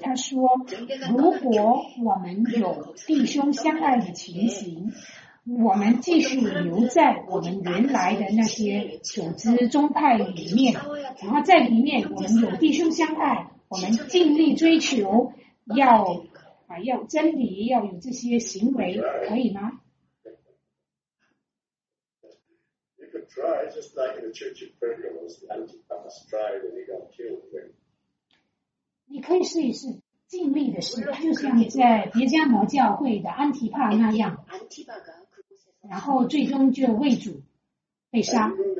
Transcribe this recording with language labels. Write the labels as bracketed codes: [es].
[zh] 他说，如果我们有弟兄相爱的情形，我们继续留在我们原来的那些组织宗派里面，然后在里面我们有弟兄相爱，我们尽力追求要啊，要真理，要有这些行为，可以吗？ [en] You could try, just like in the church of Pergamos, the Antipas tried and he got killed. [zh] 你可以试一试，尽力的试，就像在别迦摩教会的安提帕那样，然后最终就为主被杀。